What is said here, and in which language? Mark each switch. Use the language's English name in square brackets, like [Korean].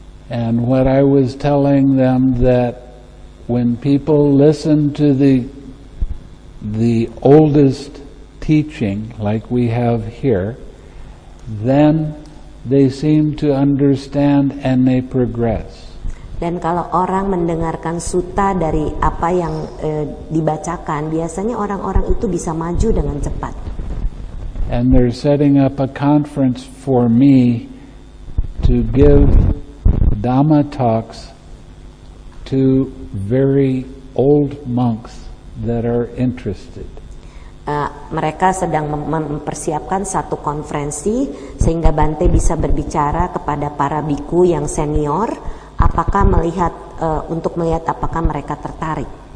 [English] And what I was telling them that when people listen to the oldest teaching like we have here, then they seem to understand and they progress. [Indonesian] Dan kalau orang mendengarkan sutta dari apa yang dibacakan, biasanya orang-orang itu bisa maju dengan cepat. [English] And they're setting up a conference for me to give Dhamma talks to very old monks that are interested. [Indonesian] Mereka sedang mempersiapkan satu konferensi sehingga Bante bisa berbicara kepada para bhikkhu yang senior, apakah melihat untuk melihat apakah mereka tertarik.